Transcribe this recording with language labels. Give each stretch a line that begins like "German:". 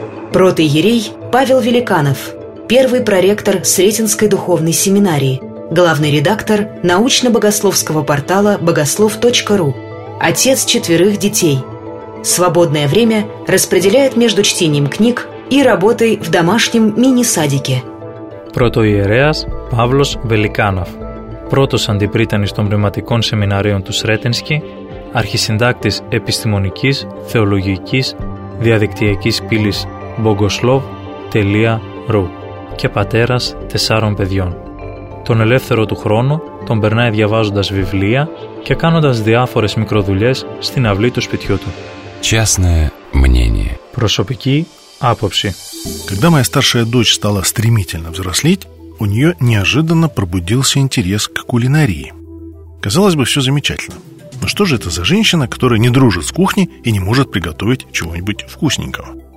Russian: Πρώτη ιερεί Павел Великанов. Первый проректор Сретенской духовной семинарии. Главный редактор научно-богословского портала богослов.ру. Отец четверых детей. Свободное время распределяет между чтением книг и работой в домашнем мини-садике.
Greek: Πρωτοϊερέας Παύλος Βελικάνοφ, πρώτος αντιπρίτανης των πνευματικών σεμιναρίων του Σρέτενσκι, αρχισυντάκτης επιστημονικής θεολογικής διαδικτυακής πύλης bogoslov.ru και πατέρας τεσσάρων παιδιών. Τον ελεύθερο του χρόνο τον περνάει διαβάζοντας βιβλία και κάνοντας διάφορες μικροδουλειές στην αυλή του σπιτιού του.
Russian: Частное мнение.
Greek: Προσωπική άποψη.
Russian: Когда моя старшая дочь стала стремительно взрослеть, у нее неожиданно пробудился интерес к кулинарии. Казалось бы, все замечательно. Но что же это за женщина, которая не дружит с кухней и не может приготовить чего-нибудь вкусненького?